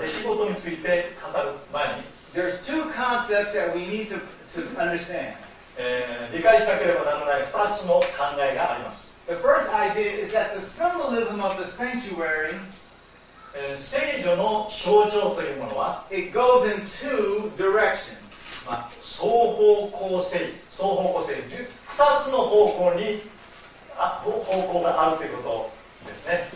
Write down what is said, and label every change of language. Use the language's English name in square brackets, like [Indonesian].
[Japanese] まず神様が人類のためになされた出来事について語る前に、 [English] There's two concepts that we need to understand. [Japanese] 理解しなければならない2つの考えがあります。 [English] The first idea is that the symbolism of the sanctuary, [Japanese] 聖所の象徴というものは、 [English] it goes in two directions. [Japanese] まあ、双方向性、2つの方向に方向があるということですね。